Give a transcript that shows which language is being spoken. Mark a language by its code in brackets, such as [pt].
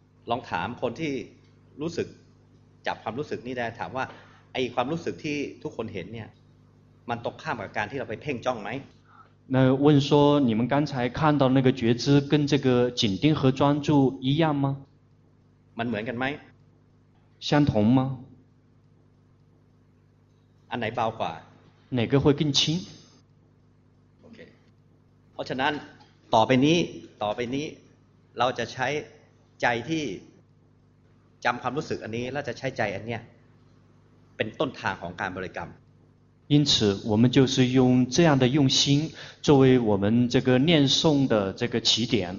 [th] ลองถามคนที่รู้สึกจับความรู้สึกนี่ได้ถามว่าไอ้ความรู้สึกที่ทุกคนเห็นเนี่ยมันตกข้ามกับการที่เราไปเพ่งจ้องไหม [zh] 那问说你们刚才看到那个觉知跟这个紧盯和专注一样吗 [th] มันเหมือนกันไหม [zh] 相同吗 [th] อันไหนเบากว่า [zh] 哪个会更轻 [th] โอเคเพราะฉะนั้นต่อไปนี้เราจะใช้ใจที่จำความรู้สึกอันนี้เราจะใช้ใจอันเนี้ยเป็นต้นทางของการบริกรรม [zh] 因此我们就是用这样的用心作为我们这个念诵的这个起点